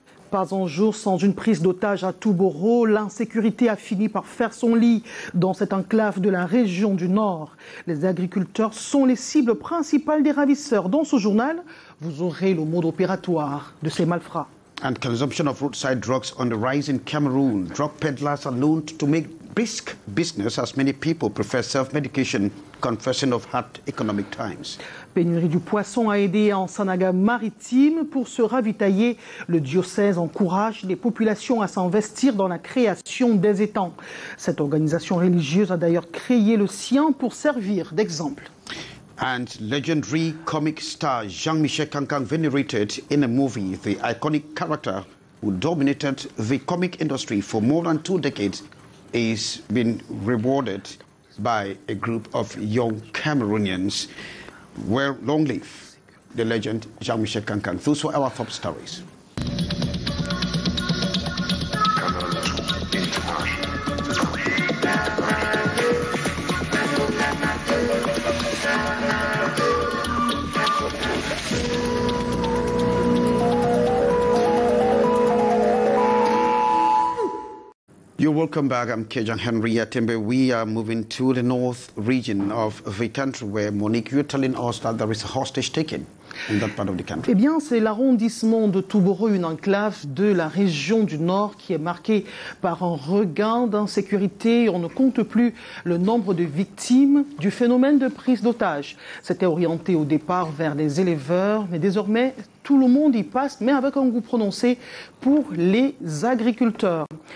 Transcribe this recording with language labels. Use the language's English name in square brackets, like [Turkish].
[French] Pas un jour sans une prise d'otage à Touboro. L'insécurité a fini par faire son lit dans cette enclave de la région du Nord. Les agriculteurs sont les cibles principales des ravisseurs. Dans ce journal, vous aurez le mode opératoire de ces malfrats. [English] And consumption of roadside drugs on the rise in Cameroon. Drug peddlers are known to make brisk business as many people prefer self-medication. Confession of hard economic times. [French] Pénurie du poisson a aidé en Sanaga-Maritime. Pour se ravitailler, le diocèse encourage les populations à s'investir dans la création des étangs. Cette organisation religieuse a d'ailleurs créé le sien pour servir d'exemple. [English] And legendary comic star Jean-Michel Cancan venerated in a movie. The iconic character who dominated the comic industry for more than two decades is being rewarded by a group of young Cameroonians. Well, long live the legend Jean-Michel Cancan. Those were our top stories. You're welcome back. I'm Kejang Henry Atembe. We are moving to the north region of the country where, Monique, you're telling us that there is a hostage taken in that part of the country. [French] Eh bien, c'est l'arrondissement de Touboro, une enclave de la région du Nord qui est marquée par un regain d'insécurité. On ne compte plus le nombre de victimes du phénomène de prise d'otages. C'était orienté au départ vers les éleveurs, mais désormais, tout le monde y passe, mais avec un goût prononcé pour les agriculteurs.